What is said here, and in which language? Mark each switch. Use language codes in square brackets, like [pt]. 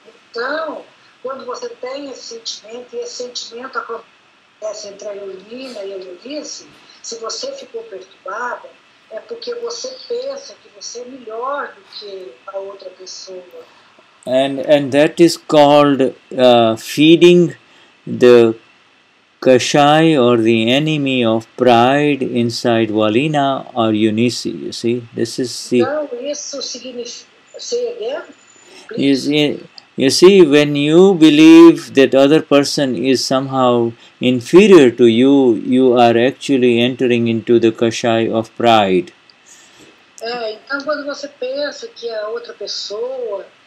[pt] Então, quando você tem esse sentimento, e esse sentimento acontece entre a Eunina e a Eunice, se você ficou perturbada, é porque você pensa que você é melhor do que a outra pessoa. [en] And that is called feeding the kashai or the enemy of pride inside Valina or Eunice, you see. This is the... You see, when you believe that other person is somehow inferior to you, you are actually entering into the kashai of pride. [pt] Então quando você pensa que a outra pessoa...